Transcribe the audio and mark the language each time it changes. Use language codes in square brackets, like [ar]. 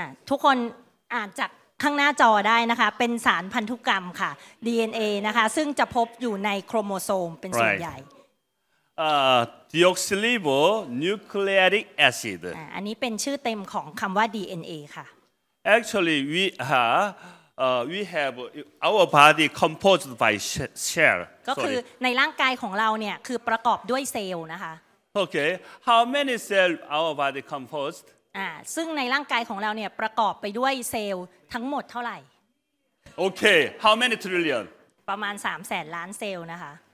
[th] ทุกคนอ่านจากข้างหน้าจอได้นะคะเป็นสารพันธุกรรมค่ะ DNA นะคะซึ่งจะพบอยู่ในโครโมโซมเป็นส่วนใหญ่ [en] deoxyribonucleic acid [th] อันนี้เป็นชื่อเต็มของคำว่า DNA ค่ะ [en] Actually, we areWe have our body composed by cell. [th] ก็คือในร่างกายของเราเนี่ยคือประกอบด้วยเซลล์นะคะ [en] Okay. How many cells our body composed? [th] ซึ่งในร่างกายของเราเนี่ยประกอบไปด้วยเซลล์ทั้งหมดเท่าไหร่ [en] Okay. How many trillion? [th] ประมาณ300,000,000,000เซลล์นะคะ